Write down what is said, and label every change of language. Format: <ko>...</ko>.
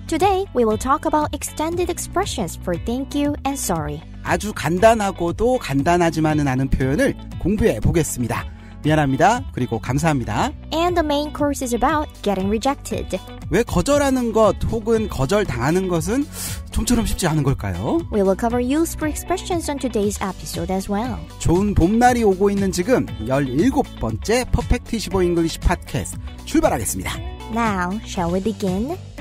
<en>Today, we will talk about extended expressions for thank you and sorry.</en> <ko>아주 간단하고도 간단하지만은 않은 표현을 공부해 보겠습니다. 미안합니다. 그리고 감사합니다.</ko> <en>And the main course is about getting rejected.</en> <ko>왜 거절하는 것 혹은 거절당하는 것은 좀처럼 쉽지 않은 걸까요?</ko> <en>We will cover useful expressions on today's episode as well.</en> <ko>좋은 봄날이 오고 있는 지금 17번째 퍼펙트 25 잉글리시 팟캐스트 출발하겠습니다.</ko> <en>Now, shall we begin?</en>